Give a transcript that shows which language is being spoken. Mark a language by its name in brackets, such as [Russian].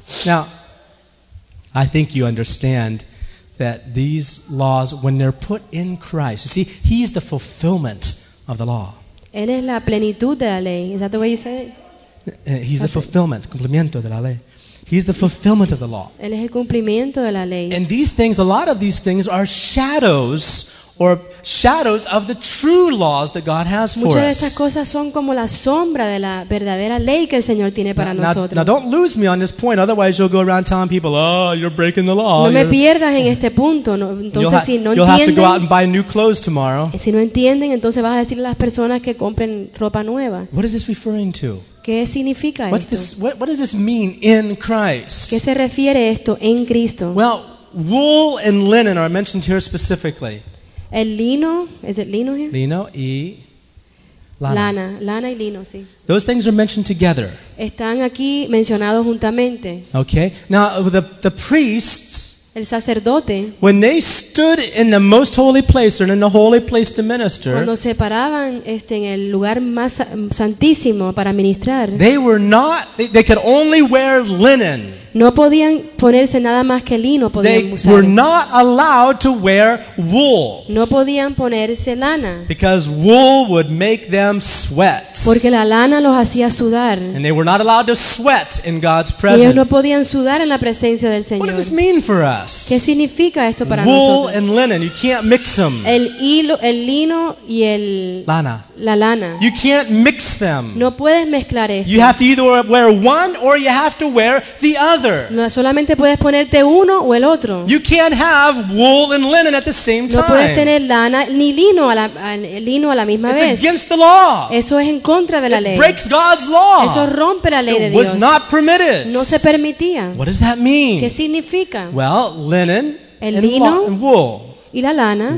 [English] Now, I think you understand that these laws, when they're put in Christ, you see, He's the fulfillment of the law. [Spanish] Él es la plenitud de la ley. [English] Is that the way you say it? He's the fulfillment, [Spanish] cumplimiento de la ley. [English] He's the fulfillment of the law. [Spanish] Él es el cumplimiento de la ley. [English] And these things, a lot of these things, are shadows of the true laws that God has for us. [Spanish] Muchas de estas cosas son como la sombra de la verdadera ley que el Señor tiene para nosotros. [English] Now, don't lose me on this point, otherwise you'll go around telling people, oh, you're breaking the law. [Spanish] No me pierdas en este punto. No, entonces, si no entienden, [English] you'll have to go out and buy new clothes tomorrow. [Spanish] Si no entienden, entonces vas a decirle a las personas que compren ropa nueva. [English] What is this referring to? [Spanish] ¿Qué significa esto? [English] What does this mean in Christ? [Spanish] ¿Qué se refiere esto en Cristo? [English] Well, wool and linen are mentioned here specifically. [Spanish] El lino, [English] is it lino here? [Spanish] Lino y lana. Lana y lino, sí. [English] Those things are mentioned together. [Spanish] Están aquí mencionados juntamente. [English] Okay. Now the priests. [Spanish] El sacerdote. [English] When they stood in the most holy place, or in the holy place to minister. [Spanish] Cuando se paraban en el lugar más santísimo para ministrar. [English] They were not. They could only wear linen. [Spanish] No podían ponerse nada más que lino. [English] They were not allowed to wear wool. [Spanish] No podían ponerse lana. [English] Because wool would make them sweat. [Spanish] Porque la lana los hacía sudar. [English] And they were not allowed to sweat in God's presence. [Spanish] Y ellos no podían sudar en la presencia del Señor. [English] What does this mean for us? [Spanish] ¿Qué significa esto para [English] wool [Spanish] nosotros? [English] And linen, you can't mix them. [Spanish] El lino y el lana. La lana. [English] You can't mix them. [Spanish] No puedes mezclar esto. [English] You have to either wear one or you have to wear the other. [Spanish] No solamente puedes ponerte uno o el otro. [English] You can't have wool and linen at the same time. [Spanish] No puedes tener lana ni lino a la misma vez. [English] It's against the law. [Spanish] Eso es en contra de la ley. [English] It breaks God's law. [Spanish] Eso rompe la ley de Dios. [English] It was not permitted. [Spanish] No se permitía. [English] What does that mean? [Spanish] ¿Qué significa? [English] Well, linen, [Spanish] el lino [English] and wool. [Spanish] Y la lana.